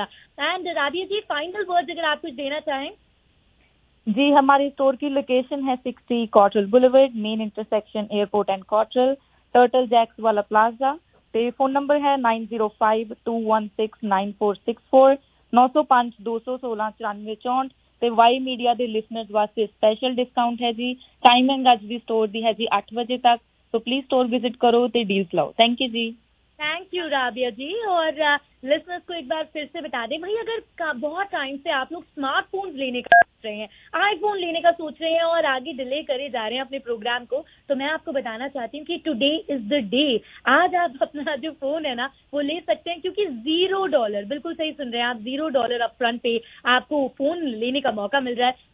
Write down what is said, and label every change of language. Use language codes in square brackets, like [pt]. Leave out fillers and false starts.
[hi] And Rabia ji, final word अगर आप कुछ देना चाहें जी। हमारी स्टोर की लोकेशन है 60 Cottrell boulevard, main intersection airport and Cottrell, turtle Jacques वाला प्लाजा। फोन नंबर है 9052169464, [pa] 905-216-9464 ਤੇ ਵਾਈ ਮੀਡੀਆ ਦੇ ਲਿਸਨਰਸ ਵਾਸਤੇ ਸਪੈਸ਼ਲ ਡਿਸਕਾਊਂਟ ਹੈ ਜੀ। ਟਾਈਮਿੰਗ ਅੱਜ ਦੀ ਸਟੋਰ ਦੀ ਹੈ ਜੀ 8 ਵਜੇ ਤੱਕ, ਸੋ ਪਲੀਜ਼ ਸਟੋਰ ਵਿਜ਼ਿਟ ਕਰੋ ਤੇ ਡੀਲਸ ਲਾਓ। ਥੈਂਕ ਯੂ ਜੀ। [hi] थैंक यू राबिया जी। और लिसनर्स को एक बार फिर से बता दें भाई, अगर बहुत टाइम से आप लोग स्मार्टफोन लेने का सोच रहे हैं, आईफोन लेने का सोच रहे हैं और आगे डिले करे जा रहे हैं अपने प्रोग्राम को, तो मैं आपको बताना चाहती हूँ कि [en] today is the day, [hi] आज आप अपना जो फोन है ना वो ले सकते हैं, क्योंकि $0, बिल्कुल सही सुन रहे हैं आप, $0 अप फ्रंट पे आपको फोन लेने का मौका मिल रहा है।